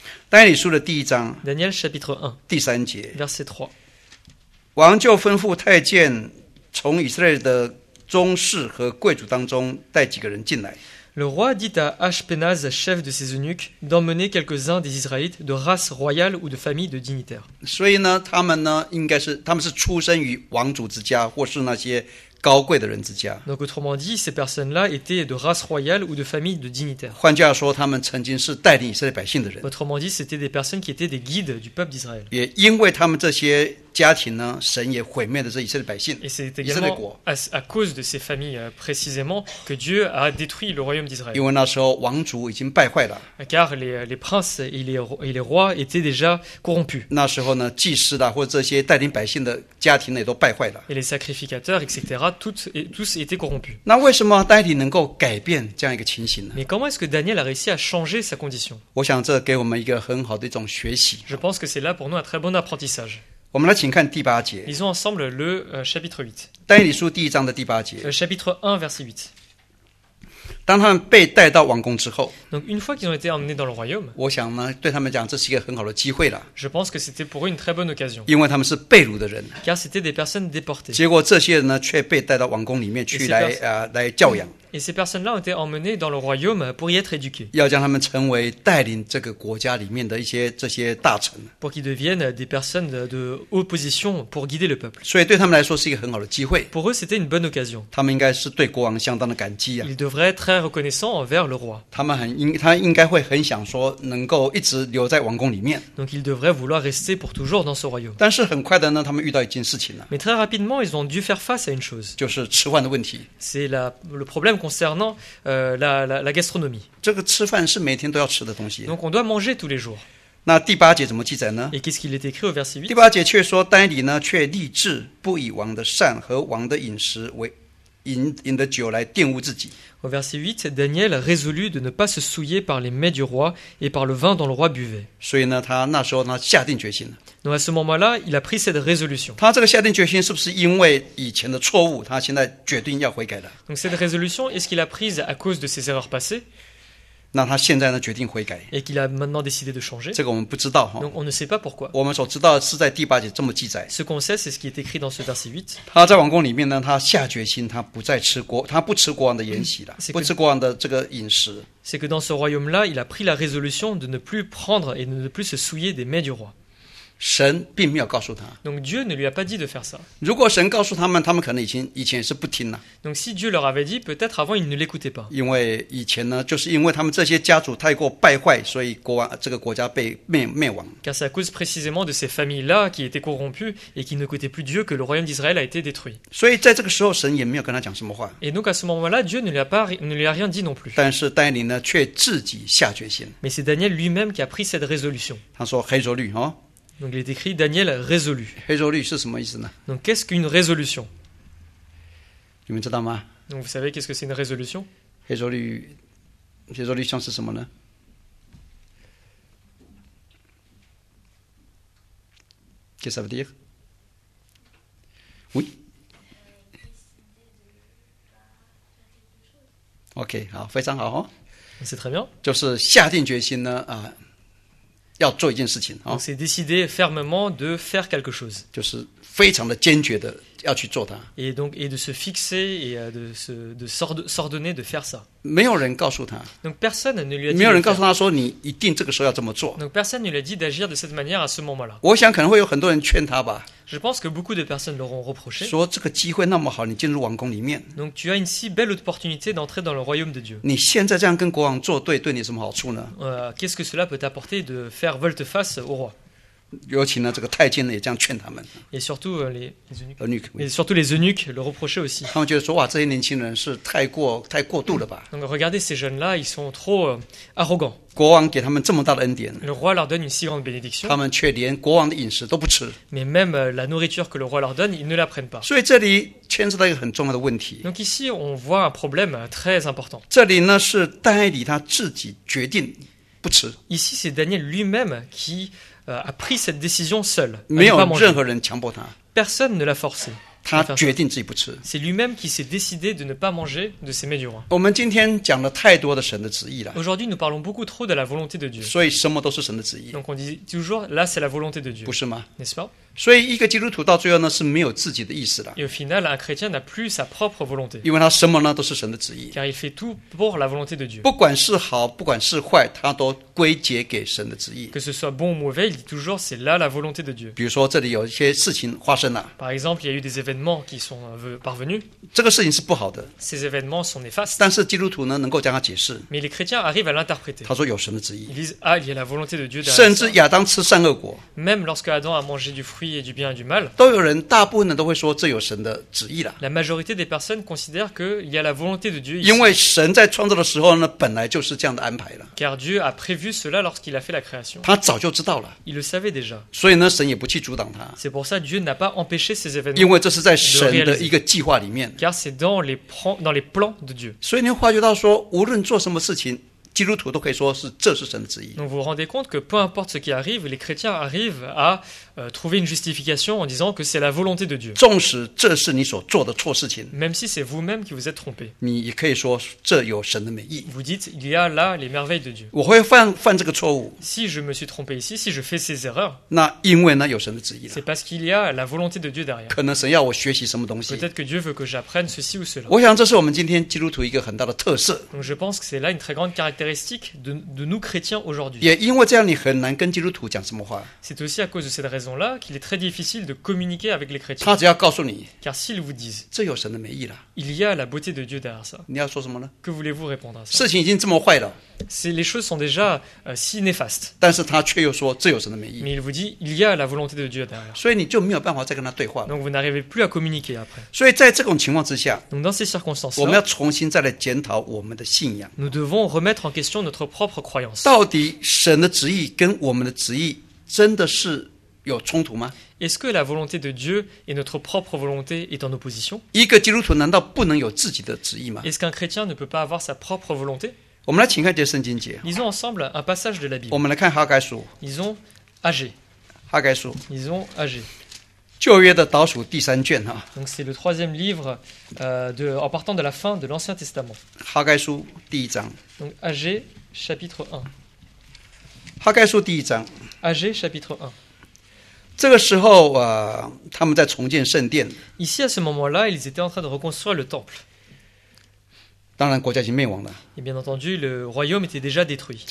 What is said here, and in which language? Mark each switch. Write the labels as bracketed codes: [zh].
[zh] Daniel 书的第一章 [fr] Daniel chapitre 1. [zh] 第三节 [fr] Verset 3. [zh] 王就吩咐太监从以色列的宗室和贵族当中带几个人进来。 [fr] Le roi dit à Ashpenaz, chef de ses eunuques, d'emmener quelques-uns des Israélites de race royale ou de famille de dignitaires. [zh] 所以呢他们呢应该是他们是出生于王族之家或是那些高贵的人之家。 [fr] Donc autrement dit, ces personnes-là étaient de race royale ou de famille de dignitaires. [zh] 换句话说，他们曾经是带领以色列百姓的人。 [fr] Autrement dit, c'était des personnes qui étaient des guides du peuple d'Israël. [zh] 也因为他们这些家庭呢，神也毁灭了这以色列百姓。 [fr] Et c'est également à cause de ces familles précisément que Dieu a détruit le royaume d'Israël. [zh] 因为那时候王族已经败坏了。 [fr] Car les princes et les rois étaient déjà corrompus. [zh] 那时候呢，祭司啦或这些带领百姓的家庭呢也都败坏了。 [fr] Et les sacrificateurs, etc. Tous étaient corrompus. [zh] 那为什么丹尼能够改变这样一个情形呢？ [fr] Mais comment est-ce que Daniel a réussi à changer sa condition? [zh] 我想这给我们一个很好的一种学习。 [fr] Je pense que c'est là pour nous un très bon apprentissage. [zh] 我们来请看第八节。 [fr] Lisons ensemble le chapitre 8. [zh] 丹尼书第一章的第八节。 [fr] Chapitre 1, verset 8. [zh] 当他们被带到王宫之后 [fr] Donc, une fois qu'ils ont été emmenés dans le royaume, [zh] 我想呢对他们讲这是一个很好的机会了 [fr] Je pense que c'était pour une très bonne occasion, [zh] 因为他们是被掳的人 [fr] car c'était des personnes déportées. [zh] 结果这些人呢却被带到王宫里面去 来教养 [fr] Et ces personnes-là ont été emmenées dans le royaume pour y être éduquées. [zh] 要将他们成为带领这个国家里面的一些这些大臣 [fr] Pour qu'ils deviennent des personnes de haute position pour guider le peuple. [zh] 所以对他们来说是一个很好的机会 [fr] Pour eux c'était une bonne occasion. [zh] 他们应该是对国王相当的感激、啊、 [fr] Ils devraient être très reconnaissants envers le roi. [zh] 他应该会很想说能够一直留在王宫里面 [fr] Donc ils devraient vouloir rester pour toujours dans ce royaume. [zh] 但是很快的呢他们遇到一件事情了 [fr] Mais très rapidement ils ont dû faire face à une chose. [zh] 就是吃饭的问题 [fr] C'est le problème concernant la gastronomie. [zh] 这个吃饭是每天都要吃的东西。 [fr] Donc on doit manger tous les jours. [zh] 那第八节怎么记载呢？ [fr] Et qu'est-ce qu'il est écrit au verset 8？ [zh] 第八节却说丹尼呢，却立志不以王的膳和王的饮食为饮的酒来玷污自己。 [fr] Au verset 8, Daniel résolut de ne pas se souiller par les mets du roi et par le vin dont le roi buvait. [zh] 所以呢，他那时候呢下定决心了。 [fr] Donc à ce moment-là, il a pris cette résolution. [zh] 他这个下定决心是不是因为以前的错误，他现在决定要悔改了？ [fr] Donc cette résolution, est-ce qu'il a prise à cause de ses erreurs passées? [zh] 那他现在呢决定悔改。 [fr] Et qu'il a maintenant décidé de changer? [zh] 这个我们不知道哈。 [fr] Donc on ne sait pas pourquoi. [zh] 我们所知道的是在第八节这么记载。 [fr] Ce qu'on sait, c'est ce qui est écrit dans ce verset 8. [zh] 他在王宫里面呢，他下决心，他不再吃国，他不吃国王的筵席了，不吃国王的这个饮食。 [fr] C'est que dans ce royaume-là, il a pris la résolution de ne plus prendre et de ne plus se souiller des mets du roi. [zh] 神并没有告诉他。 [fr] Donc Dieu ne lui a pas dit de faire ça. [zh] 如果神告诉他们，他们可能以前是不听了。 [fr] Donc si Dieu leur avait dit, peut-être avant ils ne l'écoutaient pas. [zh] 因为以前呢，就是因为他们这些家族太过败坏，所以国王这个国家被灭亡。 [fr] Car c'est à cause précisément de ces familles-là qui étaient corrompues et qui n'écoutaient plus Dieu que le royaume d'Israël a été détruit. [zh] 所以在这个时候，神也没有跟他讲什么话。 [fr] Et donc à ce moment-là, Dieu ne lui a rien dit non plus. [zh] 但是丹尼呢，却自己下决心。 [fr] Mais c'est Daniel lui-même qui a pris cette résolution. [zh] 他说résolu哈。 [fr] Donc il est écrit Daniel résolu. [zh] Résolu, 是什么意思呢? [fr] Donc qu'est-ce qu'une résolution? [zh] 你们知道吗? [fr] Donc vous savez qu'est-ce que c'est une résolution? [zh] Résolution, 是什么呢? [fr] Qu'est-ce que ça veut dire? Oui? [zh] Ok, 好，非常好哦。 [fr] C'est très bien. [zh] 就是下定决心呢，啊。要做一件事情、哦、 [fr] Donc, c'est décidé fermement de faire quelque chose. [zh] 就是非常的坚决的要去做它。 [fr] Et donc, et de se fixer et de s'ordonner de faire ça. [zh] 没有人告诉他。 [fr] Donc, personne ne lui a dit. [zh] 没有人告诉他说你一定这个时候要这么做。 [fr] Donc, personne ne lui a dit d'agir de cette manière à ce moment-là. [zh] 我想可能会有很多人劝他吧。 [fr] Je pense que beaucoup de personnes l'auront reproché. [zh] 说这个机会那么好，你进入王宫里面。 [fr] Donc, tu as une si belle opportunité d'entrer dans le royaume de Dieu. [zh] 你现在这样跟国王作对，对你什么好处呢？ [fr] Qu'est-ce que cela peut t'apporter de faire volte-face au roi? [zh] 尤其呢，这个太监呢也这样劝他们。 [fr] Et surtout les eunuques. Et surtout les eunuques le reprochaient aussi. [zh] 他们觉得说，哇，这些年轻人是太过度了吧 [fr] ？Donc, regardez ces jeunes-là, ils sont trop arrogants. [zh] 国王给他们这么大的恩典。 [fr] Le roi leur donne une si grande bénédiction. [zh] 他们却连国王的饮食都不吃。 [fr] Mais même la nourriture que le roi leur donne, ils ne la prennent pas. [zh] 所以这里牵扯到一个很重要的问题。 [fr] Donc ici, on voit un problème très important. [zh] 这里呢是丹尼他自己决定不吃。 [fr] Ici, c'est Daniel lui-même qui a pris cette décision seul. [zh] 没有任何人强迫他。 [fr] Personne ne l'a forcé. [zh] 他决定自己不吃。 [fr] C'est lui-même qui s'est décidé de ne pas manger de ces mets du roi. [zh] 我们今天讲了太多的神的旨意了。 [fr] Aujourd'hui, nous parlons beaucoup trop de la volonté de Dieu. [zh] 所以什么都是神的旨意。 [fr] Donc on dit toujours, là c'est la volonté de Dieu. [zh] 不是吗？ [fr] N'est-ce pas? [zh] 所以一个基督徒到最后呢是没有自己的意思的。 [fr] Et au final, un chrétien n'a plus sa propre volonté. [zh] 因为他什么呢都是神的旨意。 [fr] Car il fait tout pour la volonté de Dieu. [zh] 不管是好，不管是坏，他都归结给神的旨意。 [fr] Que ce soit bon ou mauvais, il dit toujours c'est là la volonté de Dieu. [zh] 比如说这里有一些事情发生了。 [fr] Par exemple, il y a eu des événements qui sont parvenus. [zh] 这个事情是不好的。 [fr] Ces événements sont néfastes. [zh] 但是基督徒呢能够将它解释。 [fr] Mais les chrétiens arrivent à l'interpréter. [zh] 他说有神的旨意。 [fr] Ils disent ah, il y a la volonté de Dieu derrière. [zh] 甚至亚当吃善恶果。 [fr] Même lorsque Adam a mangé du fruit et du bien et du mal. [zh] 都有人大部分都会说这有神的旨意了。 [fr] La majorité des personnes considèrent que il y a la volonté de Dieu. [zh] 因为神在创造的时候呢本来就是这样的安排了。 [fr] Car Dieu a prévu cela lorsqu'il a fait la création. [zh] 他早就知道了。 [fr] Il le savait déjà. [zh] 所以呢，神也不去阻挡他。 [fr] C'est pour ça Dieu n'a pas empêché ces événements. [zh] 因为这是在神的一个计划里面。 [fr] Car c'est dans les plans de Dieu. [zh] 所以你会发觉到说，无论做什么事情，基督徒都可以说是这是神的旨意。 [fr] Donc vous rendez compte que peu importe ce qui arrive, les chrétiens arrivent à trouver une justification en disant que c'est la volonté de Dieu. [zh] 纵使这是你所做的错事情。 [fr] Même si c'est vous-même qui vous êtes trompé. [zh] 你也可以说这有神的美意。 [fr] Vous dites il y a là les merveilles de Dieu. [zh] 我会犯这个错误。 [fr] Si je me suis trompé ici, si je fais ces erreurs. [zh] 那因为呢有神的旨意了。 [fr] C'est parce qu'il y a la volonté de Dieu derrière. [zh] 可能神要我学习什么东西。 [fr] Peut-être que Dieu veut que j'apprenne ceci ou cela. [zh] 我想这是我们今天基督徒一个很大的特色。 [fr] Donc je pense que c'est là une très grande caractéristique de nous chrétiens aujourd'hui. [zh] 也因为这样，你很难跟基督徒讲什么话。 [fr] C'est aussi à cause de cette raison-là qu'il est très difficile de communiquer avec les chrétiens. [zh] 他只要告诉你。 [fr] Car s'ils vous disent, [zh] 这有神的美意了。 [fr] Il y a la beauté de Dieu derrière ça. [zh] 你要说什么呢？ [fr] Que voulez-vous répondre à ça? [zh] 事情已经这么坏了。 [fr] C'est, les choses sont déjà si néfastes. [zh] 但是他却又说这有神的美意。 [fr] Mais il vous dit, il y a la volonté de Dieu derrière. [zh] 所以你就没有办法再跟他对话了。 [fr] Donc vous n'arrivez plus à communiquer après. [zh] 所以在这种情况之下。 [fr] Donc dans ces circonstances-là, [zh] 我们要重新再来检讨我们的信仰。 [fr] Nous devons remettre en question notre propre croyance. [zh] 到底神的旨意跟我们的旨意真的是有冲突吗？ [fr] Est-ce que la volonté de Dieu et notre propre volonté est en opposition? [zh] 一个基督徒难道不能有自己的旨意吗？ [fr] Est-ce qu'un chrétien ne peut pas avoir sa propre volonté? [zh] 我们来请看这圣经节。 [fr] Lisons ensemble un passage de la Bible. [zh] 我们来看哈该书。 [fr] Lisons Agé. [zh] 哈该书。 [fr] Lisons Agé. [zh] 旧约的倒数第三卷啊。 [fr] Donc c'est le troisième livre en partant de la fin de l'Ancien Testament. [zh] 哈该书第一章。 [fr] Donc Agé chapitre 1. [zh] 哈该书第一章。 [fr] Agé chapitre 1. [zh] 这个时候他们在重建圣殿。 [fr] Ici, à ce moment-là, ils étaient en train de reconstruire le temple. [zh] 当然国家已经灭亡了。 [fr] Et bien entendu, le royaume était déjà détruit.